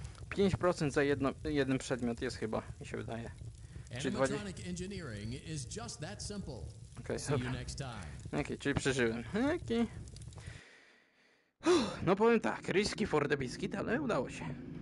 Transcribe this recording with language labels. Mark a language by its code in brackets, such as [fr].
[pl] 5% za jeden przedmiot jest chyba, mi się wydaje. [en] Animatronic engineering is just that simple. [pl] Okej, okay, dobra. Okej, czyli przeżyłem. Okej. No powiem tak, [en] risky for the biscuit, [pl] ale udało się.